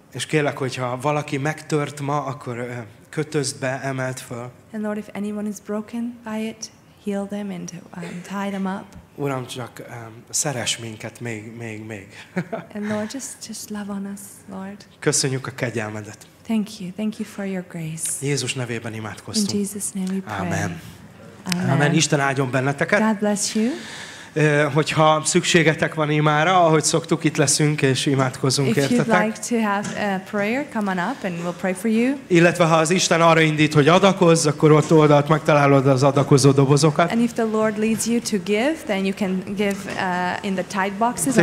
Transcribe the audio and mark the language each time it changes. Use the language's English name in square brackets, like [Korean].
[Hungarian] És kérlek, hogyha valaki megtört ma, akkor kötözd be, emeld föl. [English] And Lord, if anyone is broken by it, heal them and tie them up. [Hungarian] Uram, csak szeress minket még. [English] And Lord, just love on us, Lord. [Hungarian] Köszönjük a kegyelmedet. [English] Thank you for your grace. [Hungarian] Jézus nevében imádkoztunk. [English] In Jesus' name we pray. Amen. Amen. [Hungarian] Isten áldjon benneteket. [English] God bless you. [Hungarian] Hogyha szükségetek van imára, ahogy szoktuk, itt leszünk és imádkozunk értetek. [English] If you'd like to have a prayer, come on up and we'll pray for you. [Hungarian] Illetve ha az Isten arra indít, hogy adakozz, akkor ott oldalt megtalálod az adakozó dobozokat. [English] And if the Lord leads you to give, then you can give in the tithe boxes on the